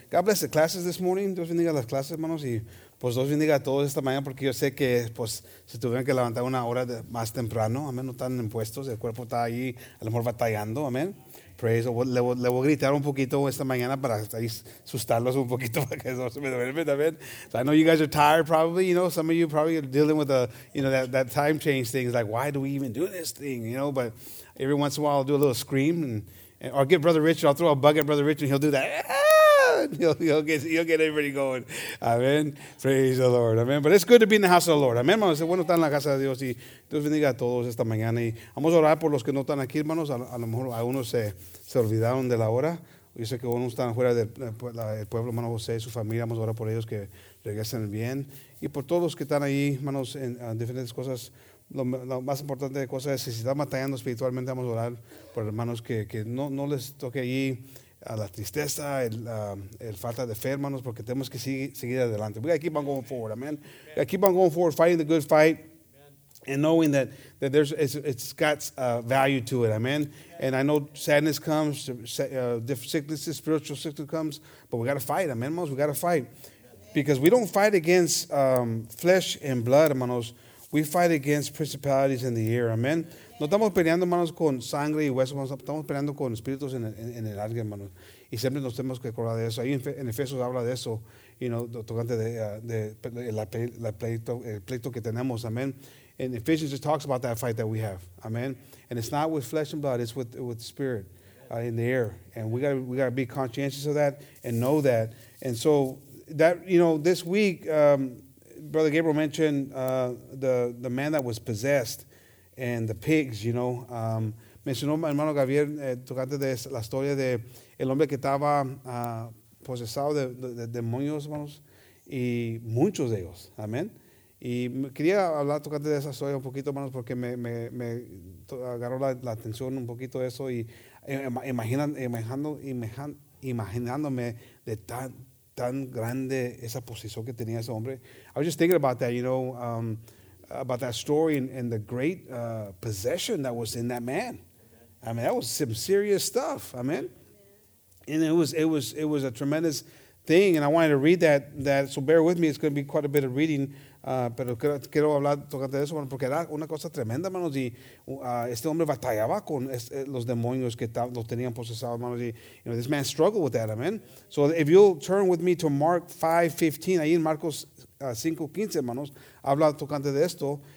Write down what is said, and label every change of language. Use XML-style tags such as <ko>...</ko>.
<en>God bless the classes this morning.</en> <es>Dios bendiga las clases, hermanos, y pues Dios bendiga a todos esta mañana, porque yo sé que, pues, se tuvieron que levantar una hora más temprano, amén. No están impuestos, el cuerpo está ahí, a lo mejor batallando, amén.</es> <en>Praise the Lord.</en> <es>Le voy a gritar un poquito esta mañana para asustarlos un poquito para que no se me duermen.</es> <en>Amen. So I know you guys are tired probably. You know, some of you probably are dealing with that time change thing. It's like, why do we even do this thing? You know, but every once in a while I'll do a little scream and or get Brother Richard. I'll throw a bug at Brother Richard and he'll do that. He'll get everybody going. Amen. Praise the Lord. Amen. But it's good to be in the house of the Lord.</en> <es>Amen, hermanos. Bueno estar en la casa de Dios. Y Dios bendiga a todos esta mañana. Y vamos a orar por los que no están aquí, hermanos. A lo mejor algunos se olvidaron de la hora. Yo sé que algunos están fuera del pueblo, hermano José, su familia. Vamos a orar por ellos que regresen bien. Y por todos los que están ahí, hermanos, en diferentes cosas. Lo más importante de cosas es, si están batallando espiritualmente, vamos a orar por hermanos que no les toque allí a la tristeza, el falta de fe, hermanos, porque tenemos que seguir adelante.</es> <en>We got to keep on going forward, amen. We got to keep on going forward, fighting the good fight, amen. And knowing that there's it's got value to it, amen. And I know sadness comes, sicknesses, spiritual sickness comes, but we got to fight, amen, hermanos. We got to fight because we don't fight against flesh and blood, hermanos. We fight against principalities in the air, amen.</en> <es>No estamos peleando, hermanos, con sangre y hueso, hermanos. Estamos peleando con espíritus en el alma, hermanos. Y siempre nos tenemos que acordar de eso. Ahí en Efesios habla de eso, tocante el pleito que tenemos, amen.</es> <en>And Ephesians just talks about that fight that we have, amen. And it's not with flesh and blood, it's with the spirit in the air. And we gotta be conscientious of that and know that. And so, that this week, Brother Gabriel mentioned the man that was possessed. And the pigs,</en> <es>mencionó hermano Gabriel tocante de la historia de el hombre que estaba posesado de demonios, hermanos, y muchos de ellos, amén. Y quería hablar tocante de esa historia un poquito, hermanos, porque me agarró la atención un poquito eso y imaginándome de tan grande esa posición que tenía ese hombre.</es> <en>I was just thinking about that, about that story and the great possession that was in that man. I mean, that was some serious stuff. Amen. And it was a tremendous thing. And I wanted to read that. So bear with me. It's going to be quite a bit of reading.</en> <es>Pero quiero hablar tocante de eso, hermano, porque era una cosa tremenda, hermanos. Y este hombre batallaba con los demonios que lo tenían posesado, hermanos. Y,</es> <en>this man struggled with that.</en> <es>Amen.</es> <en>So if you'll turn with me to Mark 5:15,</en> <es>ahí en Marcos 5:15, hermanos, habla tocante de esto.</es>